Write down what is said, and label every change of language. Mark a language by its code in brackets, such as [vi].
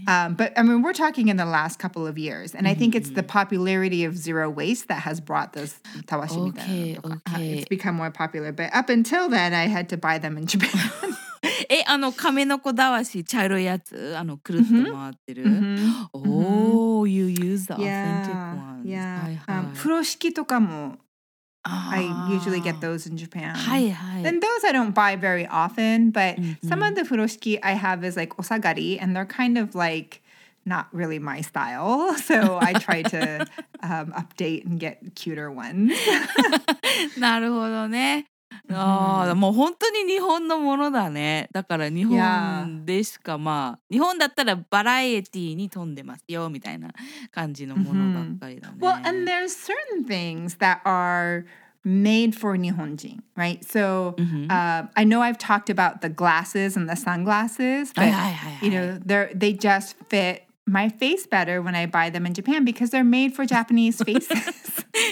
[en] But I mean, we're talking in the last couple of years. And I think it's the popularity of zero waste that has brought this [ja] たわしみたいなとか。 [en] Okay. It's become more popular. But up until then, I had to buy them in Japan. [ja] え、亀の子だわし、茶色いやつ、くるっと回ってる。 [en] Oh, you use the authentic ones. [ja] 風呂敷とかも、 [en] I usually get those in Japan. [ja] はいはい。 [en] And those I don't buy very often, but some of the 風呂敷 I have is like osagari, and they're kind of like not really my style, so I try to update and get cuter ones. [ja] なるほどね。ああ、もう本当に日本のものだね。だから日本でしか、まあ、日本だったらバラエティに富んでますよみたいな感じのものばっかりだね。 [en] Well, and there's certain things that are made for 日本人, right? So, I know I've talked about the glasses and the sunglasses, but, you know, they just fit my face better when I buy them in Japan because they're made for Japanese faces.